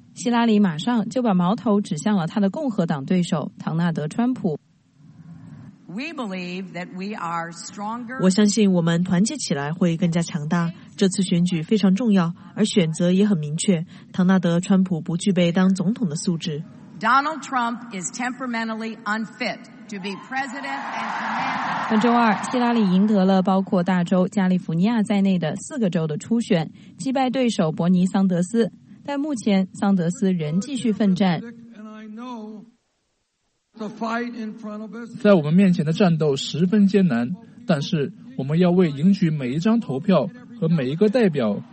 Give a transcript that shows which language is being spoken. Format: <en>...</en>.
<zh>希拉里马上就把矛头指向了她的共和党对手唐纳德·川普。我相信我们团结起来会更加强大。这次选举非常重要，而选择也很明确。唐纳德·川普不具备当总统的素质。</zh> <en>Donald Trump is temperamentally unfit to be president and commander.</en> <zh>本周二，希拉里赢得了包括大州加利福尼亚在内的四个州的初选，击败对手伯尼·桑德斯。但目前，桑德斯仍继续奋战。在我们面前的战斗十分艰难，但是我们要为赢取每一张投票和每一个代表</zh>